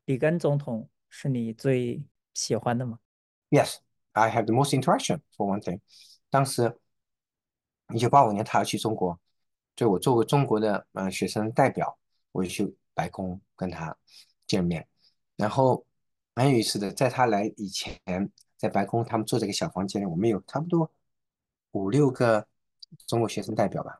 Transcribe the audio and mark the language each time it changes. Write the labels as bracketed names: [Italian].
[Chinese] 里根总统是你最喜欢的吗？ [English] Yes, I have the most interaction for one thing. [Chinese] 当时1985年，他要去中国，所以我作为中国的学生代表，我就去白宫跟他见面。然后蛮有意思的，在他来以前，在白宫他们坐在一个小房间里，我们有差不多五六个中国学生代表吧。